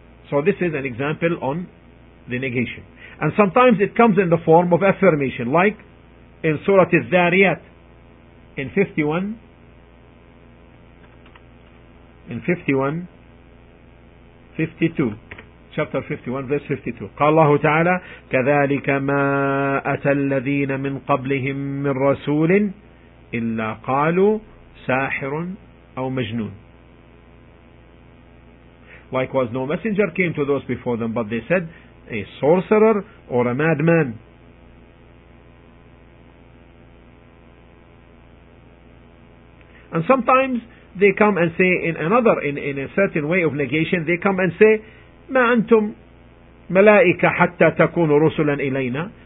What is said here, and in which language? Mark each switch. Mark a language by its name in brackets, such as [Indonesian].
[English] So this is an example on the negation. And sometimes it comes in the form of affirmation, like in Surah Al-Dhariyat, in chapter 51, verse 52. [Arabic] قال الله تعالى كذلك ما أتى الذين من قبلهم من رسول إلا قالوا ساحر أو مجنون. [English] Likewise, no messenger came to those before them, but they said, a sorcerer or a madman. And sometimes they come and say in a certain way of negation, they come and say, [Arabic] مَا أَنْتُمْ مَلَائِكَ حَتَّى تَكُونُ رُسُلًا إِلَيْنَا.